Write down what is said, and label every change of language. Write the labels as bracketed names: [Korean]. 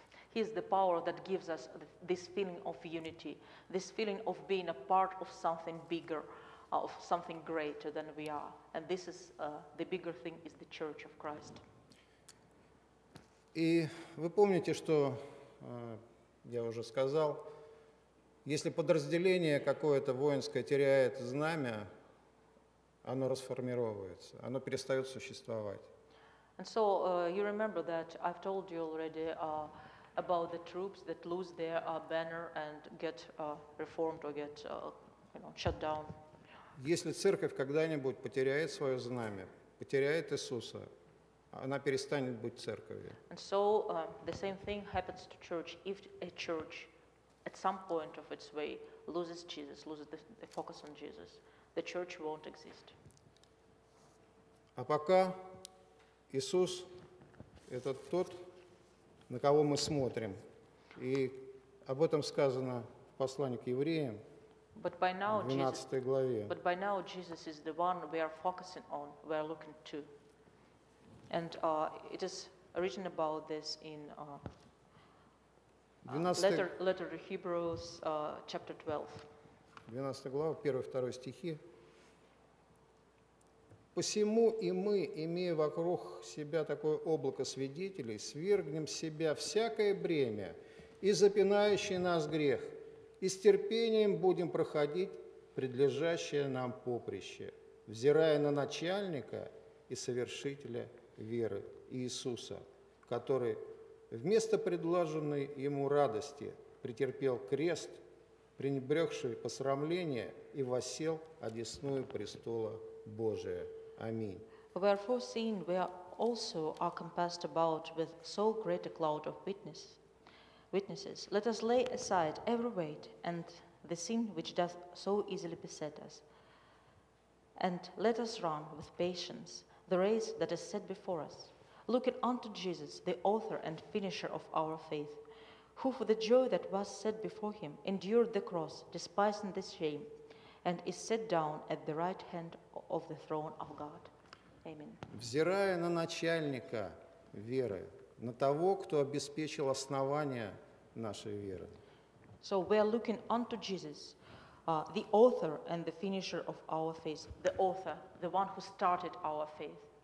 [English] He is the power that gives us this feeling of unity, this feeling of being a part of something bigger, of something greater than we are. And this is the bigger thing is the Church of Christ. [Russian] И вы помните, что я уже сказал, если подразделение какое-то воинское теряет знамя, оно расформировывается, оно перестает существовать. [English] And so you remember that I've told you already about the troops that lose their banner and get reformed or get shut down. [Russian] Если церковь когда-нибудь потеряет свое знамя, потеряет Иисуса, она перестанет быть церковью. [English] And so the same thing happens to church. If a church at some point of its way loses Jesus, loses the focus on Jesus, the church won't exist. [Russian] А пока Иисус – это тот, на кого мы смотрим. И об этом сказано в послании к евреям, [English] but by now, [Russian] 12 [English] Jesus, [Russian] главе. [English] But by now Jesus is the one we are focusing on, we are looking to. And it is written about this in letter to Hebrews, chapter 12. [Russian] 12 глава, 1-2 стихи. «Посему и мы, имея вокруг себя такое облако свидетелей, свергнем с себя всякое бремя и запинающий нас грех, и с терпением будем проходить предлежащее нам поприще, взирая на начальника и совершителя веры Иисуса, который вместо предложенной ему радости претерпел крест, пренебрегший посрамление, и воссел одесную престола Божия». [English] Wherefore, seeing we are also are compassed about with so great a cloud of witnesses, let us lay aside every weight and the sin which doth so easily beset us, and let us run with patience the race that is set before us, looking unto Jesus, the author and finisher of our faith, who for the joy that was set before him endured the cross, despising the shame, and is set down at the right hand of the throne of God. Amen. [Russian] Взирая на начальника веры, на того, кто обеспечил основание нашей веры. [English] So we are looking unto Jesus, the author and the finisher of our faith, the author, the one who started our faith.